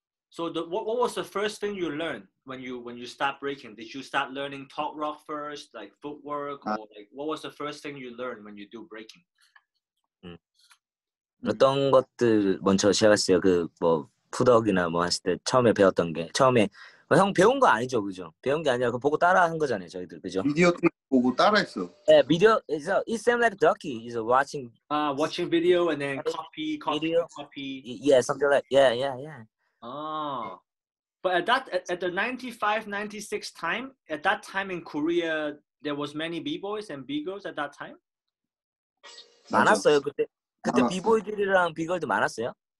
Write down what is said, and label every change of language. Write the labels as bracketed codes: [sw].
[en] So what was the first thing you learned when you start breaking? Did you start learning top rock first, like footwork, or like what was the first thing you learned when you do breaking? [ko] 어떤 것들 먼저 시작했어요? 그 뭐 푸덕이나 뭐 했을 때 처음에 배웠던 게 처음에 뭐 형 배운 거 아니죠, 그죠? 배운 게 아니라 그 보고 따라 한 거잖아요, 저희들, 그죠? 비디오 보고 따라했어. 네, 비디오 [en] it's same like ducky. He's watching. Watching video and then copy. Yeah, something like yeah. Oh, but at the 95, 96 time, at that time in Korea, there was many b-boys and b-girls at that time. [ko] 많았어요 그때. 그때 비보이들이랑 비걸도 많았어요?